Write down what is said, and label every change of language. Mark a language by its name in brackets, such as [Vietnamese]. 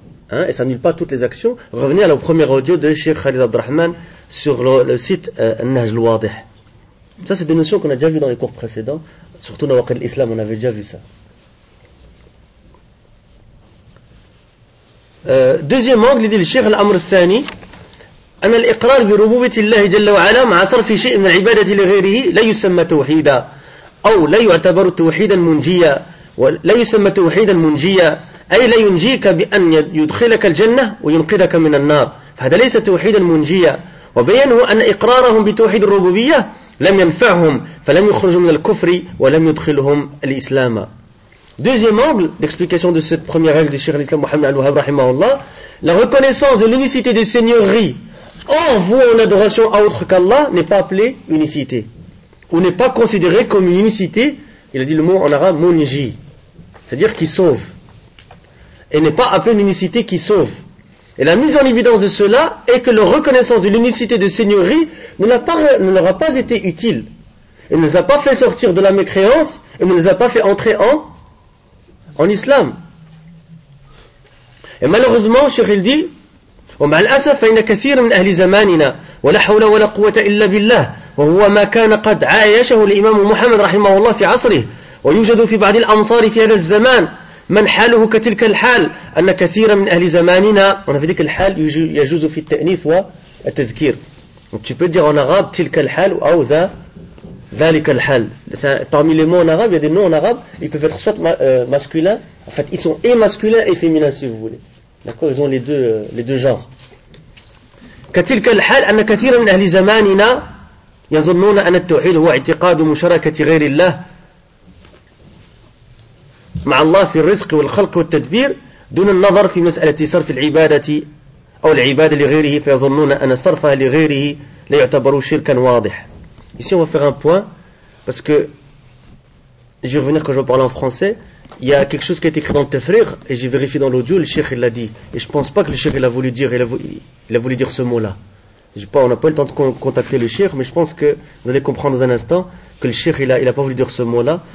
[French] Hein, et ça n'annule pas toutes les actions. Revenez à la première audio de Cheikh Khalid Abdurrahman sur le site Nahj al-Wadih. Ça, c'est des notions qu'on a déjà vues dans les cours précédents. Surtout dans le cadre de l'islam, on avait déjà vu ça. Deuxième angle, il dit le Cheikh Al-Amr Thani. [Arabic] أن الإقرار بربوبة الله جل وعلا مع صرف شيء من العبادة لغيره لا يسمى توحيدا. أو لا يعتبر توحيدا منجيا ولا يسمى توحيدا منجيا أي لا ينجيك بأن يدخلك الجنة وينقذك من النار فهذا ليس توحيدا منجيا وبينه أن إقرارهم بتوحيد الربوبية لم ينفعهم فلم يخرجوا من الكفر ولم يدخلهم الإسلام. [French] Deuxième angle d'explication de cette première règle de Cheikh l'Islam Mohammed Al-Wahhab rahimahullah, la reconnaissance de l'unicité des seigneuries en vouant une adoration à autre qu'Allah n'est pas appelée unicité. Ou n'est pas considéré comme une unicité, il a dit le mot en arabe, munji, c'est-à-dire qui sauve. Et n'est pas appelé une unicité qui sauve. Et la mise en évidence de cela est que leur reconnaissance de l'unicité de seigneurie ne leur a pas été utile. Elle ne les a pas fait sortir de la mécréance et ne les a pas fait entrer en islam. Et malheureusement, Cheikh il dit, [Arabic] ومع الأسف فإن كثير من أهل زماننا ولا حول ولا قوة إلا بالله وهو ما كان قد عايشه الإمام محمد رحمه الله في عصره ويوجد في بعض الأمصار في هذا الزمان من حاله كتلك الحال أن كثير من أهل زماننا ونفذك الحال يجوز في التأنيث والتذكير [French] Donc tu peux dire en arabe tilka al-hal ou awza zalika al-hal. Parmi les mots en arabe, il y a des noms en arabe, ils peuvent être soit masculins, en fait ils sont et masculins et féminins si vous voulez. D'accord, ils ont les deux genres. [Arabic] كتلك الحال أن كثيرا من أهل زماننا يظنون أن التوحيد هو اعتقاد مشاركة غير الله مع الله في الرزق والخلق والتدبير دون النظر في مسألة صرف العبادة أو العبادة لغيره فيظنون أن صرفها لغيره لا يعتبر شركا واضح. [French] Ici on va faire un point parce que je vais revenir quand je vais parler en français. Il y a quelque chose qui a été écrit dans le Tafrir et j'ai vérifié dans l'audio, le cheikh l'a dit. Et je ne pense pas que le cheikh l'a voulu dire, il a voulu dire ce mot-là. On n'a pas eu le temps de contacter le cheikh, mais je pense que vous allez comprendre dans un instant que le cheikh il a pas voulu dire ce mot-là.